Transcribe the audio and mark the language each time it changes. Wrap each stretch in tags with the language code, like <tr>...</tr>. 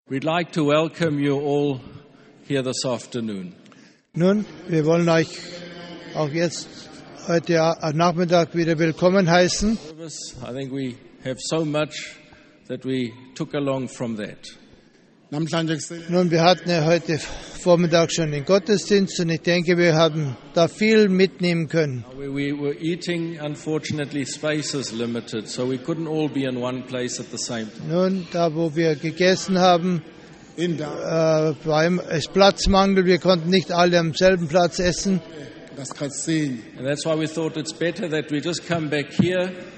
<en>We'd like to welcome you all here this afternoon.</en> <de>Nun, wir wollen euch auch jetzt heute Nachmittag wieder willkommen heißen.</de> <en>I think we have so much that we took along from that.</en> <de>Nun, wir hatten ja heute Vormittag schon den Gottesdienst und ich denke, wir haben da viel mitnehmen können.</de> <en>We were eating, unfortunately, space is limited, so we couldn't all be in one place at the same time.</en> <de>Nun, da wo wir gegessen haben, es Platzmangel, wir konnten nicht alle am selben Platz essen. Das kannst du sehen.</de> <en>And that's why we thought it's better that we just come back here.</en>